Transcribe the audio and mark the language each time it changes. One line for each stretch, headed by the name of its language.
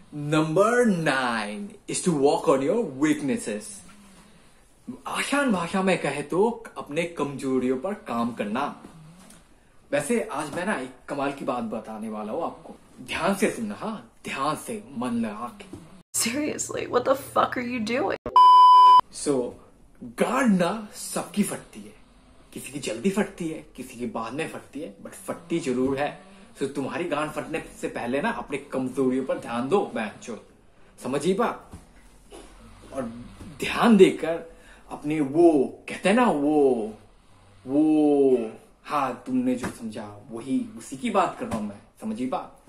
English: Number 9 is to work on your weaknesses.
Hindi: आसान भाषा में कहे तो अपने कमजोरियों पर काम करना। वैसे आज मैं ना एक कमाल की बात बताने वाला हूँ आपको, ध्यान से सुनना, हाँ ध्यान से मन लगा के।
English: Seriously, what the fuck are you doing?
Hindi: So, guard ना सबकी फटती है, किसी की जल्दी फटती है, किसी की बाद में फटती है, बट फटती जरूर है। सो तुम्हारी गांड फटने से पहले ना अपने कमजोरियों पर ध्यान दो बच्चों, समझी बा? और ध्यान देकर अपने वो कहते ना वो हाँ तुमने जो समझा वही उसी की बात कर रहा हूं मैं, समझी बा?